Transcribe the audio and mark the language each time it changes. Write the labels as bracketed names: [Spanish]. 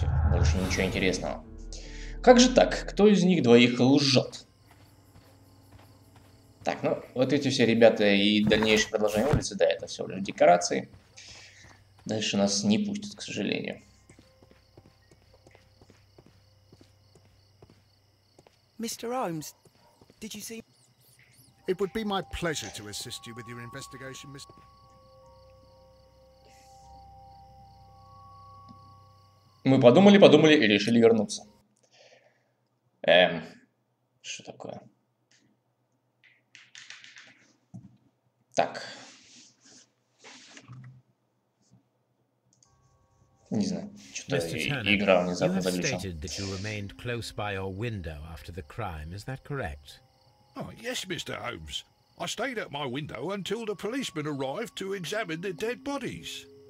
[Russian] Больше ничего интересного. Как же так? Кто из них двоих лжет? Так, ну, вот эти все ребята и дальнейшее продолжение улицы. Да, это все лишь декорации. Дальше нас не пустят, к сожалению. [English] Мистер Холмс, did you see... It would be my pleasure to assist you with your investigation, Mr... [Russian] Мы подумали и решили вернуться. Что такое? Так. Не знаю, что-то игра внезапно заглючила. [English] You stated that you remained close by your window after the crime, is that correct? Oh, yes, Mr. Holmes. I stayed at my window until the policeman arrived to examine the dead bodies.